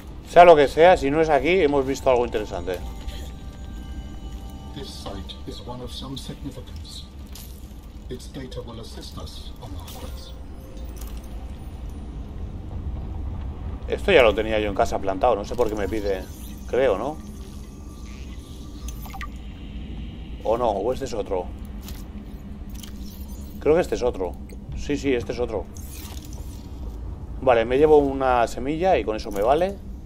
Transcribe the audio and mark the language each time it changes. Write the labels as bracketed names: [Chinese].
[Spanish] Sea lo que sea, si no es aquí, hemos visto algo interesante. [English] This site is one of some significance. Its data will assist us on our quest. [Spanish] Esto ya lo tenía yo en casa plantado, no sé por qué me pide, creo, ¿no? O no, o este es otro. Creo que este es otro. Sí, sí, este es otro. Vale, me llevo una semilla y con eso me vale.